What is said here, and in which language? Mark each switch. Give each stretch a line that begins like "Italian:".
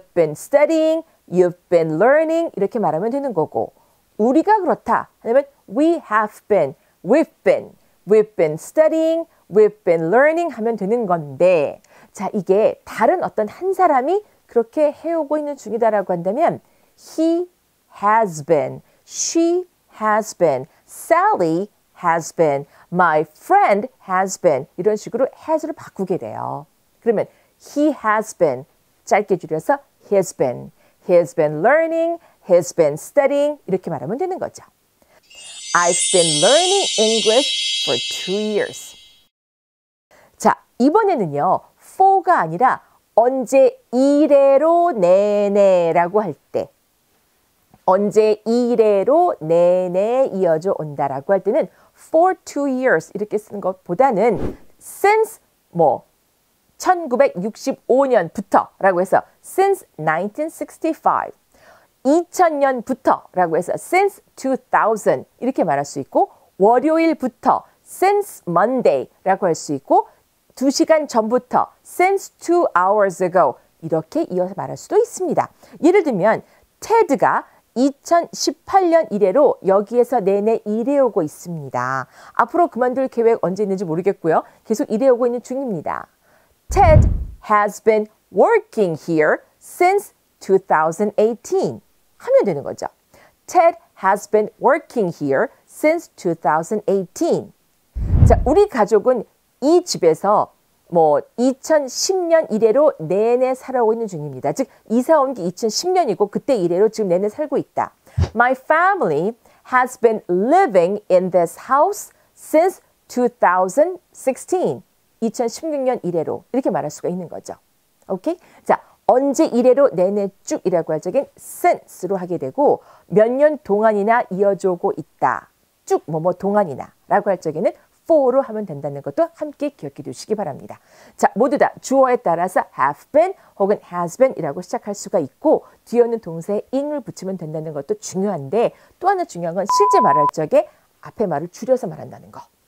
English: studying, you've been learning
Korean: 이렇게 말하면 되는 거고, 우리가 그렇다 하면
English: we've been studying, we've been learning
Korean: 하면 되는 건데, 자, 이게 다른 어떤 한 사람이 그렇게 해오고 있는 중이다라고 한다면
English: he has been, she has been,
Korean: Sally has been, my friend has been 이런 식으로 has를 바꾸게 돼요. 그러면
English: he has been,
Korean: 짧게 줄여서
English: has been, he's been learning, he's been studying
Korean: 이렇게 말하면 되는 거죠.
English: I've been learning English for 2 years.
Korean: 자, 이번에는요. for가 아니라 언제 이래로 내내라고 할 때, 언제 이래로 내내 이어져 온다라고 할 때는
English: for 2 years
Korean: 이렇게 쓰는 것보다는 since 뭐 1965년부터 라고 해서
English: since 1965,
Korean: 2000년부터 라고 해서
English: since 2000
Korean: 이렇게 말할 수 있고, 월요일부터
English: since Monday
Korean: 라고 할 수 있고, 2시간 전부터
English: since 2 hours ago
Korean: 이렇게 이어서 말할 수도 있습니다. 예를 들면 테드가 2018년 이래로 여기에서 내내 일해오고 있습니다. 앞으로 그만둘 계획 언제 있는지 모르겠고요. 계속 일해오고 있는 중입니다.
English: Ted has been working here since 2018.
Korean: 하면 되는 거죠.
English: Ted has been working here since 2018.
Korean: 자, 우리 가족은 이 집에서 뭐 2010년 이래로 내내 살아오고 있는 중입니다. 즉, 이사 온 게 2010년이고 그때 이래로 지금 내내 살고 있다.
English: My family has been living in this house since 2016.
Korean: 2016년 이래로 이렇게 말할 수가 있는 거죠. 오케이? 자, 언제 이래로 내내 쭉 이라고 할 적엔 since로 하게 되고, 몇 년 동안이나 이어져 오고 있다. 쭉 뭐뭐 동안이나 라고 할 적에는 for로 하면 된다는 것도 함께 기억해 두시기 바랍니다. 자, 모두 다 주어에 따라서
English: have been
Korean: 혹은
English: has been
Korean: 이라고 시작할 수가 있고 뒤에 있는 동사에 in을 붙이면 된다는 것도 중요한데 또 하나 중요한 건 실제 말할 적에 앞에 말을 줄여서 말한다는 거.